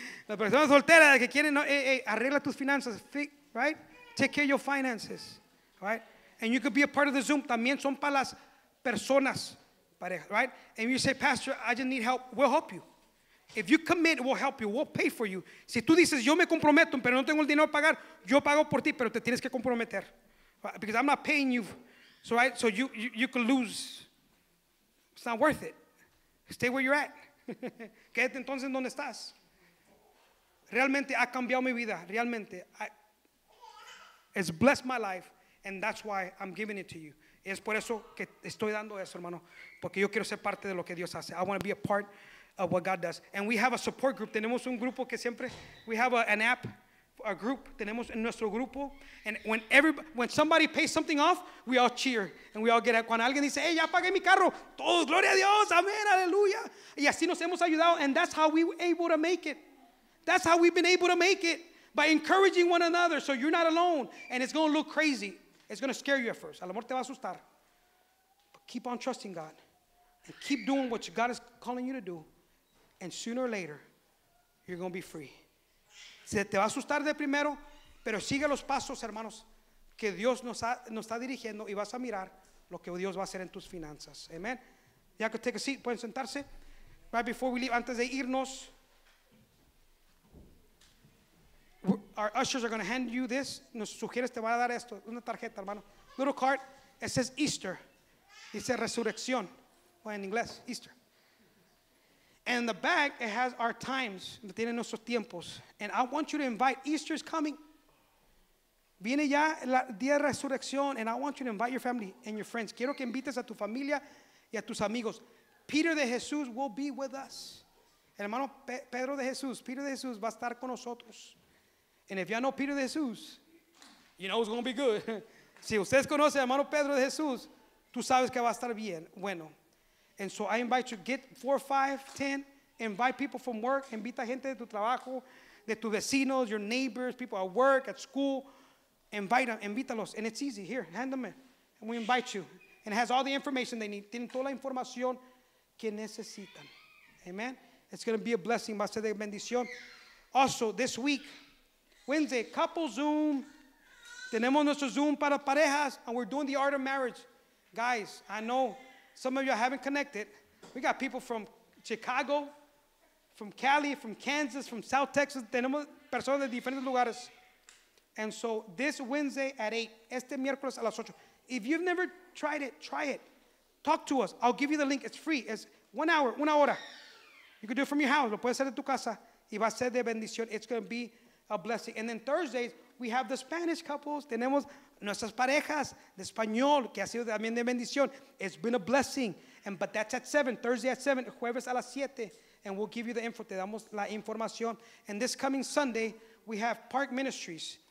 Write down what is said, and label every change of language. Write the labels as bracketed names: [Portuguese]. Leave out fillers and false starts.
[Spanish] La persona soltera que quiere, arregla tus finanzas, right? [English] Take care of your finances, right? And you could be a part of the Zoom. [Spanish] También son para las personas, right? [English] And you say, Pastor, I just need help. We'll help you. If you commit, we'll help you. We'll pay for you. [Spanish] Si tú dices, yo me comprometo, pero no tengo el dinero para pagar, yo pago por ti, pero te tienes que comprometer. [English] Because I'm not paying you, so right, so you could lose. It's not worth it. Stay where you're at. [Spanish] Quédate entonces donde estás. Realmente ha cambiado mi vida. [English] Realmente, it's blessed my life, and that's why I'm giving it to you. [Spanish] Es por eso que estoy dando eso, hermano, porque yo quiero ser parte de lo que Dios hace. [English] I want to be a part of what God does. And we have a support group. [Spanish] Tenemos un grupo que siempre. [English] We have an app. A group, [Spanish] tenemos en nuestro grupo, [English] and when somebody pays something off, we all cheer and we all get up. [Spanish] Cuando alguien dice, hey, ya pagué mi carro, todos gloria a Dios, amén, aleluya. Y así nos hemos ayudado, [English] and that's how we were able to make it. That's how we've been able to make it, by encouraging one another. So you're not alone, and it's going to look crazy. It's going to scare you at first. [Spanish] A lo mejor te va a asustar. [English] But keep on trusting God and keep doing what God is calling you to do, and sooner or later, you're going to be free. [Spanish] Se te va a asustar de primero, pero sigue los pasos, hermanos, que Dios nos está dirigiendo, y vas a mirar lo que Dios va a hacer en tus finanzas. [English] Amen. [Spanish] Ya que [English] take a seat, [Spanish] pueden sentarse. [English] Right before we leave, [Spanish] antes de irnos, [English] our ushers are going to hand you this. [Spanish] Nos sugieres te va a dar esto, una tarjeta, hermano. [English] Little card. It says Easter. It says resurrección. Well, in English, Easter. And in the back, it has our times. [Spanish] Tiene nuestros tiempos. [English] And I want you to invite. Easter is coming. [Spanish] Viene ya el día de resurrección. [English] And I want you to invite your family and your friends. [Spanish] Quiero que invites a tu familia y a tus amigos. [English] Peter de Jesús will be with us. [Spanish] El hermano Pedro de Jesús, Peter de Jesús va a estar con nosotros. [English] And if you know Peter de Jesús, you know it's going to be good. [Spanish] Si ustedes conocen al hermano Pedro de Jesús, tú sabes que va a estar bien. [English] Bueno. And so I invite you, get 4, 5, 10, invite people from work, [Spanish] invita gente de tu trabajo, de tus vecinos, [English] your neighbors, people at work, at school, invite them, [Spanish] invítalos, [English] and it's easy, here, hand them in, and we invite you, and it has all the information they need, [Spanish] tienen toda la información que necesitan, [English] amen, it's going to be a blessing, [Spanish] va a ser de bendición. [English] Also, this week, Wednesday, couple Zoom, [Spanish] tenemos nuestro Zoom para parejas, [English] and we're doing the art of marriage, guys, I know, some of you haven't connected. We got people from Chicago, from Cali, from Kansas, from South Texas. [Spanish] Tenemos personas de diferentes lugares. [English] And so this Wednesday at 8, [Spanish] este miércoles a las 8. [English] If you've never tried it, try it. Talk to us. I'll give you the link. It's free. It's 1 hour, [Spanish] una hora. [English] You can do it from your house. [Spanish] Lo puedes hacer en tu casa. Y va a ser de bendición. [English] It's going to be a blessing. And then Thursdays, we have the Spanish couples. [Spanish] Tenemos nuestras parejas de español, que ha sido también de bendición. [English] It's been a blessing. And, but that's at 7, Thursday at 7, [Spanish] jueves a las 7. [English] And we'll give you the info, [Spanish] te damos la información. [English] And this coming Sunday, we have Park Ministries.